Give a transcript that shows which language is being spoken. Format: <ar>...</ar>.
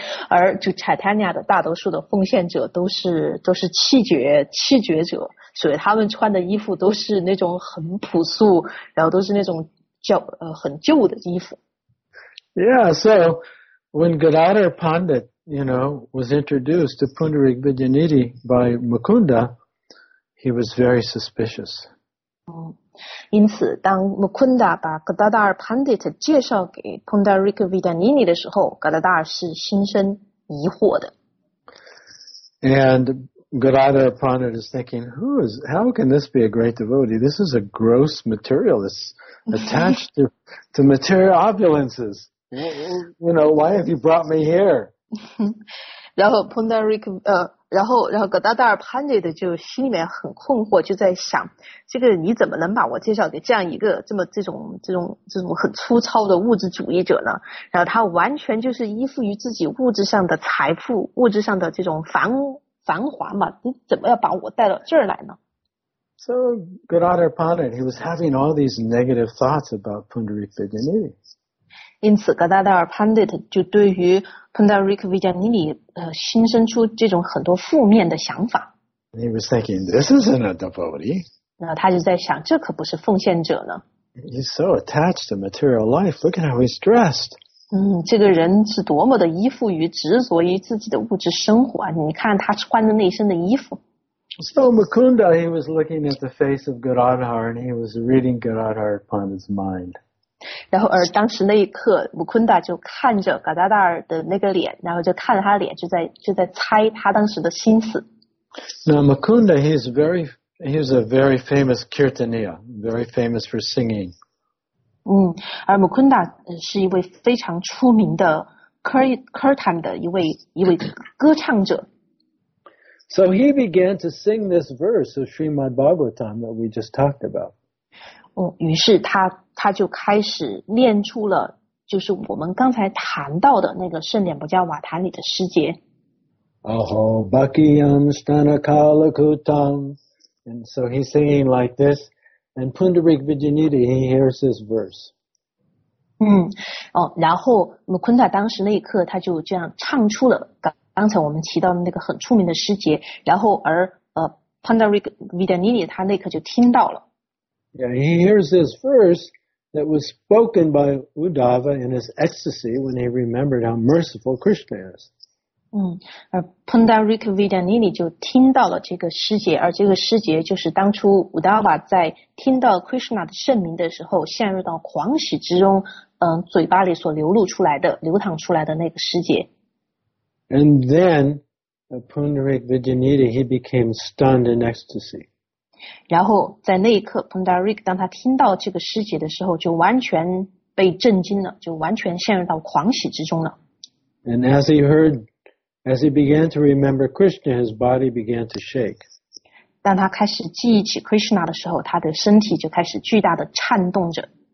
<zh>而就 Chaitanya 的大多数的奉献者都是气绝者，所以他们穿的衣服都是那种很朴素，然后都是那种很旧的衣服。</zh> <en>Yeah, so when Gadadhar Pandit, you know, was introduced to Pundarik Vidyaniti by Mukunda, he was very suspicious.</en> <zh>因此当 Mukunda 把 Gadadhar Pandit 介绍给 Pundarik Vidyaniti 的时候， Gadadhar 是心生疑惑的。</zh> <en>And Gadadhar Pandit is thinking, how can this be a great devotee? This is a gross materialist attached to material opulences. You know, why have you brought me here?</en> <zh>然后 Pundarik,然后格达达尔潘德就心里面很困惑，就在想，这个你怎么能把我介绍给这样一个这种很粗糙的物质主义者呢？然后他完全就是依附于自己物质上的财富，物质上的这种繁华嘛，你怎么要把我带到这儿来呢？</zh> <en>So Gadadhar Pandit, he was having all these negative thoughts about Pundarik Vidyaniti.</en> <zh>因此格达达尔潘德就对于Pundarik Vidyaniti 心生出这种很多负面的想法。</zh> <en>He was thinking, this isn't a devotee.</en> <zh>那他就在想，这可不是奉献者呢。</zh> <en>He's so attached to material life. Look at how he's dressed.</en> <zh>这个人是多么的依附于执着于自己的物质生活啊！你看他穿的那身的衣服。</zh> <en>So Mukunda, he was looking at the face of Gadadhar, and he was reading Gadadhar upon his mind.</en> <zh>然后而当时那一刻穆昆达就看着嘎达达尔的那个脸，然后就看着他的脸，就在猜他当时的心思。</zh> <en>那穆昆达 he's a very famous kirtaniya, very famous for singing.</en> <zh>而穆昆达是一位非常出名的 kirtan 的一位歌唱者。</zh> <en>So he began to sing this verse of Srimad Bhagavatam that we just talked about.</en> <zh>于是他就开始念出了就是我们刚才谈到的那个圣典不加瓦坛里的诗节。</zh> <sa>Aho Bakiyam Stanakalakutam.</sa> <en>And so he's singing like this. And Pundarik Vidyaniti, he hears this verse.</en> <zh>然后 Mukunda 当时那一刻他就这样唱出了刚才我们提到的那个很出名的诗节。然后而Pundarik Vidyaniti 他那刻就听到了。</zh> <en>Yeah, he hears this verse that was spoken by Uddhava in his ecstasy when he remembered how merciful Krishna is.</en> <zh>Pundarik Vidyaniti 就听到了这个诗节，而这个诗节就是当初 Uddhava 在听到 Krishna 的圣名的时候陷入到狂喜之中，嘴巴里所流露出来的、流淌出来的那个诗节。</zh> <en>And then, Pundarik Vidyaniti, he became stunned in ecstasy.</en> <zh>然后在那一刻 Pundarik 当他听到这个诗节的时候就完全被震惊了，就完全陷入到狂喜之中了。</zh> <en>And as he heard, as he began to remember Krishna, his body began to shake.</en> <zh>当他开始记忆起 Krishna 的时候，他的身体就开始巨大的颤动着。</zh>